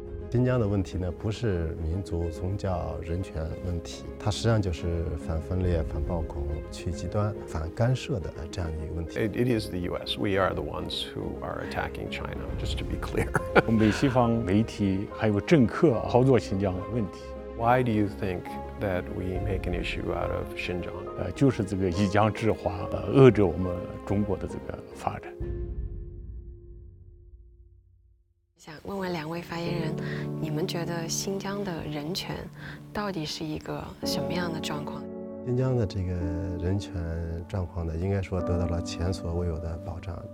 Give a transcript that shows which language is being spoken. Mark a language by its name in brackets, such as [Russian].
[Chinese] 新疆的问题呢，不是民族、宗教、人权问题，它实际上就是反分裂、反暴恐、去极端、反干涉的这样一个问题。 [English] It is the U.S. We are the ones who are attacking China. Just to be clear. [Chinese] 美西方媒体还有政客操作新疆的问题。 [English] Why do you think that we make an issue out of Xinjiang? [Chinese] 就是这个以疆制华，遏制我们中国的这个发展。想问问两位发言人，你们觉得新疆的人权到底是一个什么样的状况？新疆的这个人权状况呢，应该说得到了前所未有的保障。